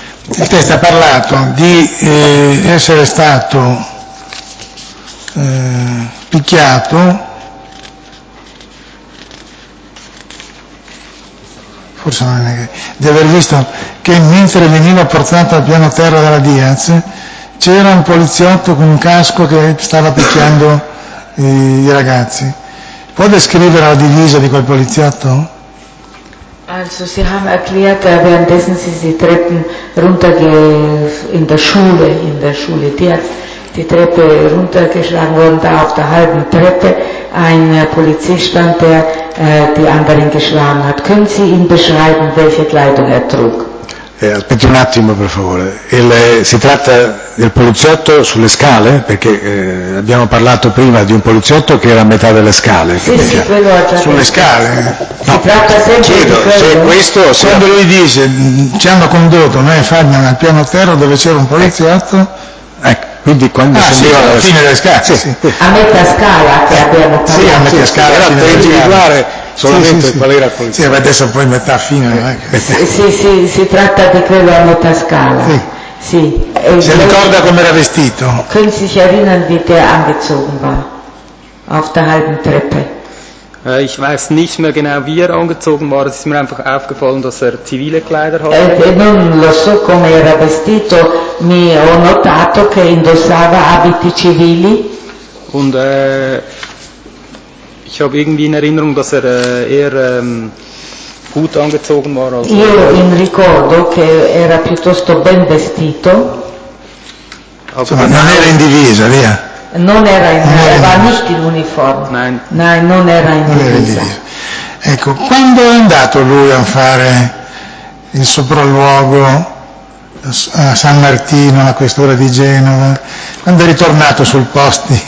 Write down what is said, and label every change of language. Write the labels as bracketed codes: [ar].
[it] Il testo ha parlato di essere stato picchiato, forse non è che, di aver visto che mentre veniva portato al piano terra dalla Diaz c'era un poliziotto con un casco che stava picchiando i ragazzi. Può descrivere la divisa di quel poliziotto? [de] Also sie haben erklärt, währenddessen sie die Treppen runterge in der Schule, die hat die Treppe runtergeschlagen worden, da auf der halben Treppe ein Polizist stand, der die anderen geschlagen hat. Können Sie ihn beschreiben, welche Kleidung er trug? [it] Aspetti un attimo, per favore. Si tratta del poliziotto sulle scale, perché abbiamo parlato prima di un poliziotto che era a metà delle scale. Sì, quello ha già sulle scale. Si tratta sempre chiedo, di quello. Cioè, questo, quando lui dice, ci hanno condotto noi e Fabian al piano terra dove c'era un poliziotto. Ecco, quindi quando si arriva alla fine delle scale. Sì. A metà scala che abbiamo parlato. Sì, a metà scala. Era per individuare. Solamente sì, qual era il poliziotto. Sì, adesso poi metà fine. Si tratta di quello a metà scala. Sì. Sì. Si ricorda come era vestito? [de] Können Sie sich erinnern, wie der angezogen war? Auf der halben Treppe. Ich weiß nicht mehr genau, wie er angezogen war. Es ist mir einfach aufgefallen, dass er zivile Kleider hatte. [it] Non lo so come era vestito, mi ho notato che indossava abiti civili. [de] Und ich habe irgendwie in Erinnerung, dass er eher gut angezogen war. [it] Also io in ricordo che era piuttosto ben vestito. Non era in divisa, via. Non era in divisa, era [de] nicht in uniform. Nein. [it] Nein, non era in divisa. Ecco, quando è andato lui a fare il sopralluogo a San Martino, alla questura di Genova, quando è ritornato sul posto.